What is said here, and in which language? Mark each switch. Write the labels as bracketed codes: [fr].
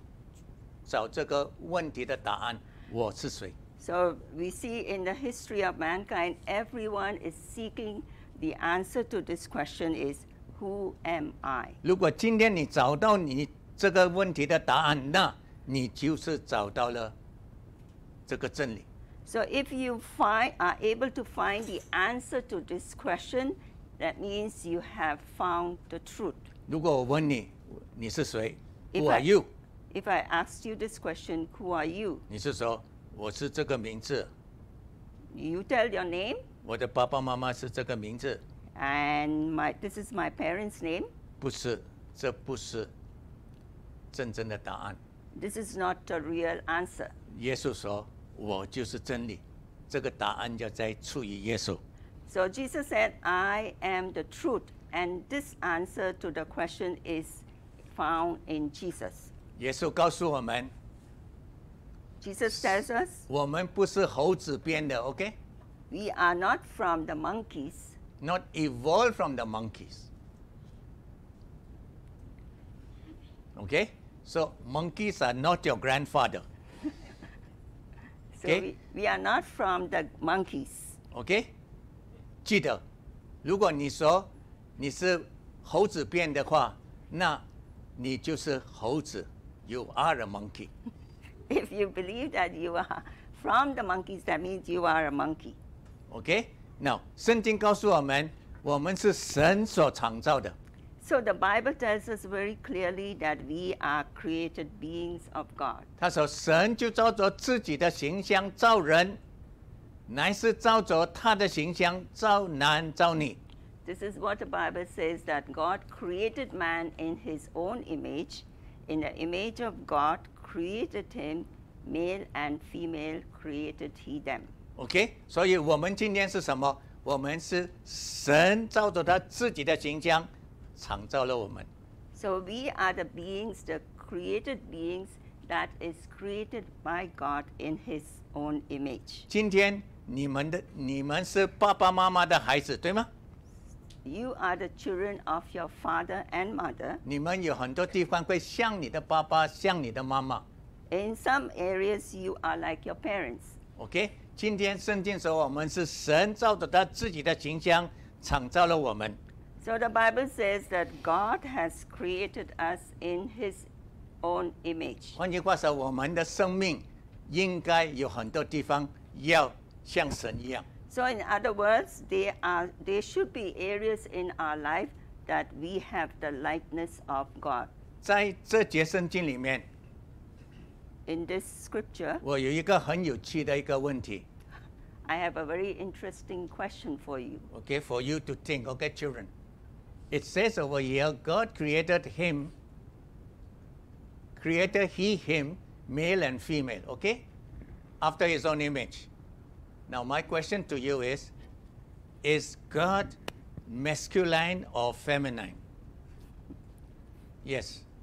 [zh] 我们看见到人生的人类的历史里面，很多人就是在找这个问题的答案。我是谁? [en] So we see in the history of mankind, everyone is seeking the answer to this question is, who am I? [zh] 如果今天你找到你这个问题的答案，那你就是找到了这个真理。 [en] So if you are able to find the answer to this question, that means you have found the truth. [zh] 如果我问你，你是谁? [en] Who are you? If I asked you this question, who are you? [zh] 你是说, 我是这个名字。 [en] You tell your name? [zh] 我的爸爸妈妈是这个名字。 [en] And this is my parents' name? [zh] 不是, 这不是真正的答案。 [en] This is not a real answer. [zh] 耶稣说, 我就是真理。这个答案就在出于耶稣。 [en] So Jesus said, I am the truth. And this answer to the question is found in Jesus. [zh] 耶稣告诉我们, [en] Jesus tells us, [zh] 我们不是猴子编的, okay? [en] We are not from the monkeys. Not evolved from the monkeys. Okay? So monkeys are not your grandfather. So okay? we are not from the monkeys. Okay? [zh] 记得, 如果你说你是猴子编的话, 那你就是猴子。 [en] You are a monkey. If you believe that you are from the monkeys, that means you are a monkey. Okay? [zh] Now, 圣经告诉我们, 我们是神所创造的。 [en] So the Bible tells us very clearly that we are created beings of God. [zh] 他说神就照着自己的形象造人, 乃是照着他的形象造男造女。 [en] This is what the Bible says, that God created man in his own image. In the image of God created him, male and female created he them. [zh] Okay, 所以我们今天是什么? 我们是神照着他自己的形象创造了我们。 [en] So we are the beings, the created beings that is created by God in his own image. [zh] 今天你们是爸爸妈妈的孩子，对吗? [en] You are the children of your father and mother. [zh] 你们有很多地方会像你的爸爸，像你的妈妈。 [en] In some areas, you are like your parents. [zh] Okay, 今天圣经说我们是神照着他自己的形象创造了我们。 [en] So the Bible says that God has created us in his own image. [zh] 换句话说，我们的生命应该有很多地方要像神一样。 [en] So in other words, there should be areas in our life that we have the likeness of God. [zh] 在这节圣经里面, [en] in this scripture, [zh] 我有一个很有趣的一个问题。 [en] I have a very interesting question for you. Okay, for you to think, okay, children. It says over here, God created him, created he, him, male and female, okay? After his own image. Now, my question to you is God masculine or feminine? Yes.